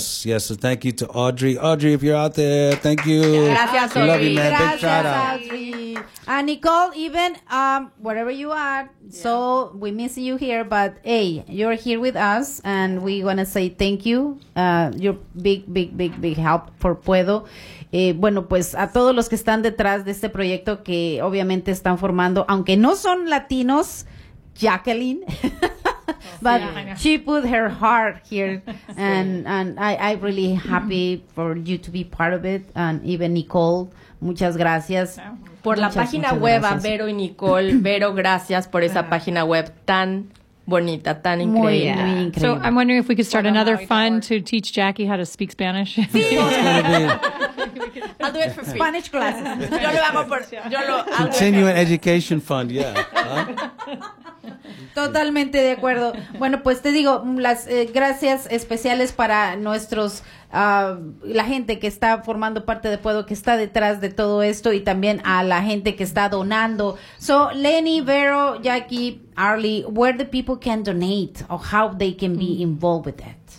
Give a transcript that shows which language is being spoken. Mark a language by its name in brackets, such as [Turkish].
[English] So thank you to Audrey. Audrey, if you're out there, thank you. [Spanish] Gracias, Audrey. [English] Love you, man. [Spanish] Gracias, [English] big shout out. Audrey. And Nicole, even wherever you are, so we miss you here, but hey, you're here with us and we want to say thank you. You're big help for Puedo. [Spanish] Bueno, pues a todos los que están detrás de este proyecto que obviamente están formando, aunque no son latinos, Jacqueline. [English] But yeah, she put her heart here, and I'm really happy for you to be part of it, and even Nicole, [Spanish] muchas gracias. Por la página web, a Vero y Nicole, Vero, gracias por esa página web tan bonita, tan increíble. Muy increíble. [English] So I'm wondering if we could start another fund to teach Jackie how to speak Spanish. I'll do it for Spanish classes. [Spanish] Yo lo hago por... [English] Continuing education fund, yeah. [Spanish] Totalmente de acuerdo. Bueno, pues te digo, las gracias especiales para nuestros, la gente que está formando parte de Puedo, que está detrás de todo esto, y también a la gente que está donando. [English] So, Lenny, Vero, Jackie, Arlie, where the people can donate or how they can be involved with that?